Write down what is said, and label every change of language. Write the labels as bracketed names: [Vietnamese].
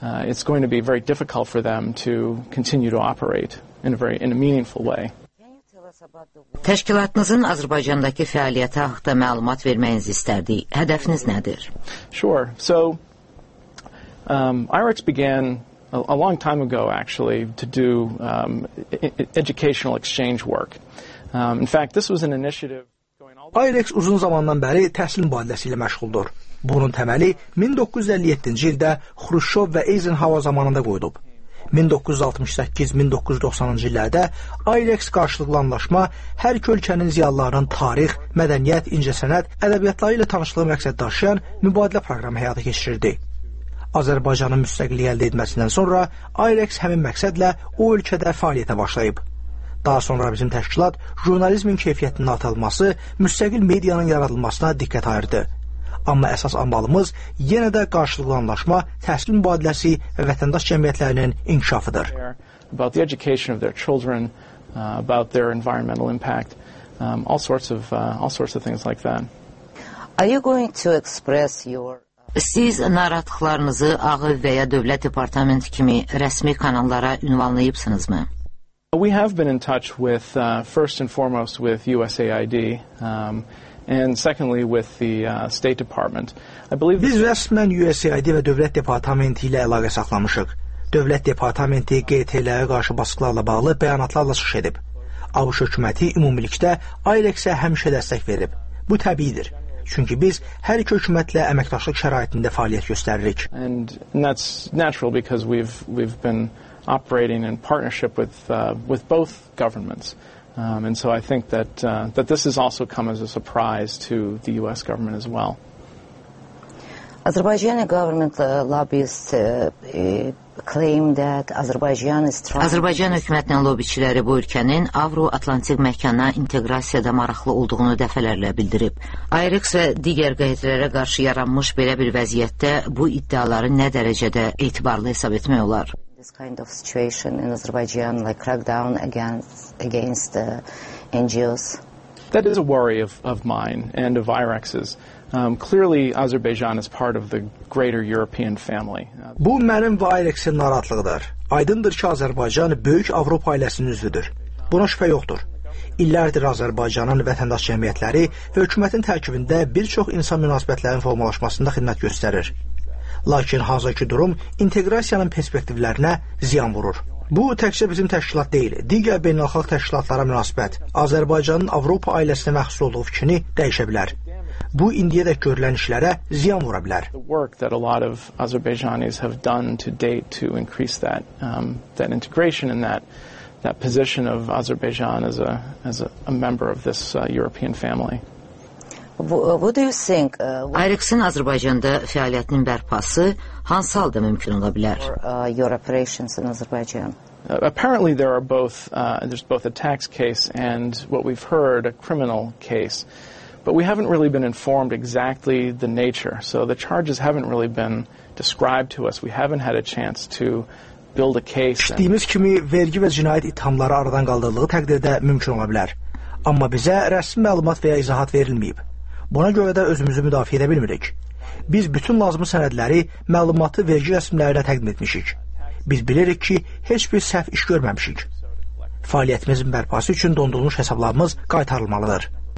[English] It's going to be very difficult for them to continue to operate in a meaningful way. [Azerbaijani] Təşkilatınızın Azərbaycandakı fəaliyyəti haqqında məlumat verməyinizi istərdik. Hədəfiniz nədir? [English] Sure. So IREX began a long time ago actually to do educational exchange work. In fact, this was an initiative [Azerbaijani] IREX uzun zamandan bəri təhsil mübadiləsi ilə məşğuldur. Bunun təməli 1957-ci ildə Xruşov və Eisenhower zamanında qoyulub. 1968-1990-cı illərdə IREX qarşılıqlı anlaşma hər iki ölkənin ziyalılarının tarix, mədəniyyət, incəsənət, ədəbiyyatları ilə tanışlığı məqsəd daşıyan mübadilə proqramı həyata keçirirdi. Azərbaycanın müstəqilliyi əldə etməsindən sonra IREX həmin məqsədlə o ölkədə fəaliyyətə başlayıb. Daha sonra bizim təşkilat jurnalizmin keyfiyyətinin artırılması, müstəqil medianın yaradılmasına diqqət ayırdı. Amma əsas ambalımız yenə də qarşılıqlı anlaşma, təhsil mübadiləsi və vətəndaş cəmiyyətlərinin inkişafıdır. [English] About the education of their children, about their environmental impact, all sorts of things like that. Are you going to express your [Azerbaijani] Siz narahatlıqlarınızı Ağı və ya Dövlət Departamenti kimi rəsmi kanallara ünvanlayıbsınızmı? [English] We have been in touch with first and foremost with USAID and secondly with the State Department. I believe this [Azerbaijani] rəsmən USAID və Dövlət Departamenti ilə əlaqə saxlamışıq. Dövlət Departamenti QYT-lərə qarşı baskılarla bağlı bəyanatlarla çıxış edib. ABŞ hökuməti ümumilikdə IREX-ə həmişə dəstək verib. Bu təbiidir. Çünki biz hər iki hökumətlə əməkdaşlıq şəraitində fəaliyyət göstəririk. [English] And that's natural because we've been operating in partnership with both governments. And so I think that that this has also come as a surprise to the US government as well. Azerbaijani government lobbyists claim that Azerbaijan is trying [Azerbaijani] Azerbaycan hökumətinin lobbyçiləri bu ölkənin Avro-Atlantik məkana inteqrasiyada maraqlı olduğunu dəfələrlə bildirib. IREX və digər qeydlərə qarşı yaranmış belə bir vəziyyətdə bu iddiaları nə dərəcədə etibarlı hesab etmək olar? [English] Kind of situation in Azerbaijan, like crackdown against the NGOs. That is a worry of mine and of IREX's. Clearly, Azerbaijan is part of the greater European family. [Azerbaijani] Bu mənim və IREX-in narahatlığıdır. Aydındır ki, Azərbaycan böyük Avropa ailəsinin üzvüdür. Buna şübhə yoxdur. İllərdir Azərbaycanın vətəndaş cəmiyyətləri və hökumətin tərkibində bir çox insan münasibətlərinin formalaşmasında xidmət göstərir. Lakin hazırki durum inteqrasiyanın perspektivlərinə ziyan vurur. Bu təkcə bizim təşkilat deyil, digər beynəlxalq təşkilatlara münasibət Azərbaycanın Avropa ailəsinə məxsus olduğu fikrini dəyişə bilər. Bu indiyə də görülən işlərə ziyan vura bilər. [English] The work that a lot of Azerbaijanis have done to date to increase that that integration and that position of Azerbaijan as a member of this European family. What do you think? [Azerbaijani] Eriksen Azərbaycanda fəaliyyətinin bərpası hansı halda mümkün ola bilər? [English] Your operations in Azerbaijan. Apparently there are both there's both a tax case and what we've heard a criminal case. But we haven't really been informed exactly the nature. So the charges haven't really been described to us. We haven't had a chance to build a case. [Azerbaijani] Dediğimiz kimi vergi və cinayət ittihamları aradan qaldırıldığı təqdirdə mümkün ola bilər. Amma bizə rəsmi məlumat və ya izahat verilməyib. Buna görə də özümüzü müdafiə edə bilmirik. Biz bütün lazımı sənədləri, məlumatı vergi rəsmlərinə təqdim etmişik. Biz bilirik ki, heç bir səhv iş görməmişik. Fəaliyyətimizin bərpası üçün dondurulmuş hesablarımız qaytarılmalıdır.